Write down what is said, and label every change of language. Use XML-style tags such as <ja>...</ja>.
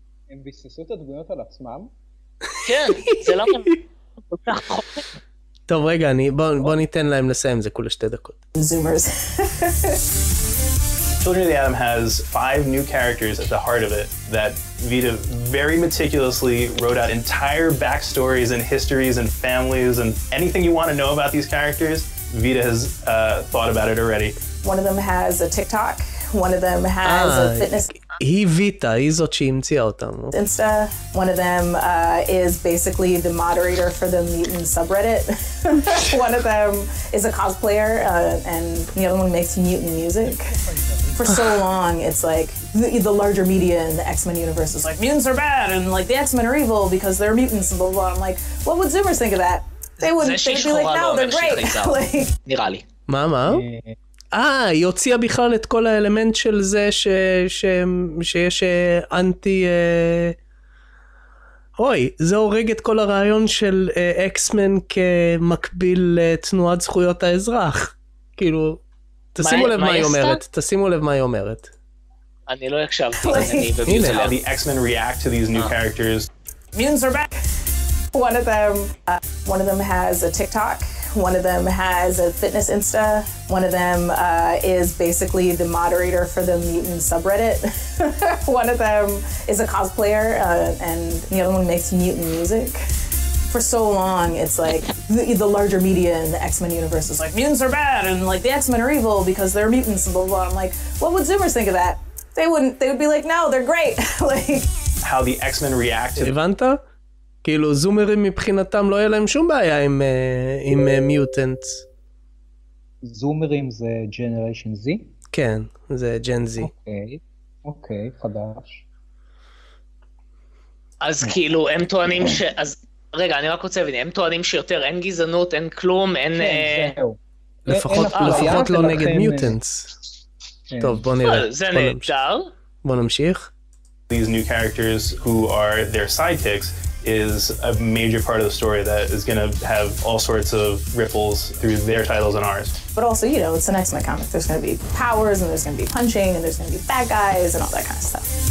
<he>הם ביססו את הדמויות על עצמם? כן, זה למה... טוב, רגע, בוא ניתן להם לסיים, זה כולה שתי דקות.</he> <en>Zoomers. Children of the Atom has five new characters at the heart of it that Vita very meticulously wrote out entire backstories and histories and families and anything you want to know about these characters, Vita has thought about it already. One of them has a TikTok, one of them has a fitness...</en> <he>היא ויטה, היא זאת שהמציאה אותם.</he> <en>Insta, one of them is basically the moderator for the mutant subreddit. One of them is a cosplayer, and the other one makes mutant music. For so long, it's like, the larger media in the X-Men universe is like, mutants are bad, and like, the X-Men are evil because they're mutants, and blah, blah, blah. I'm like, what would Zoomers think of that? They would be like, no, they're great.</en> <he>נראה לי. מה, מה? היא הוציאה בכלל את כל האלמנט של זה שיש אנטי... אוי, זה הורג את כל הרעיון של אקסמן כמקביל לתנועת זכויות האזרח. כאילו, תשימו לב מה היא אומרת, תשימו לב מה היא אומרת. אני לא הקשבתי, אני...</he> <en>הנה, the X-Men react to these new characters. Mutants are back! One of them has a TikTok. One of them has a fitness Insta. One of them is basically the moderator for the mutant subreddit. One of them is a cosplayer, and the other one makes mutant music. For so long, it's like the larger media in the X-Men universe is like, mutants are bad, and like the X-Men are evil because they're mutants, and blah, blah, blah. I'm like, what would Zoomers think of that? They wouldn't, they would be like, no, they're great. Like, how the X-Men react to Ivanta?</en> <he>כאילו, זומרים מבחינתם לא יהיה להם שום בעיה עם, עם מיוטנט. זומרים זה Generation Z? כן, זה Gen Z. אוקיי, אוקיי, חדש. אז כאילו, הם טוענים ש... אז, רגע, אני רק רוצה להבין, הם טוענים שיותר אין גזענות, אין כלום, אין... כן, זהו. לפחות, אין לפחות לא נגד מיוטנט. טוב, בוא נראה. זה נהדר. בוא נמשיך.</he> <en>These new characters who are their sidekicks is a major part of the story that is going to have all sorts of ripples through their titles and ours. But also, you know, it's an X-Men comic. There's going to be powers, and there's going to be punching, and there's going to be bad guys, and all that kind of stuff.</en>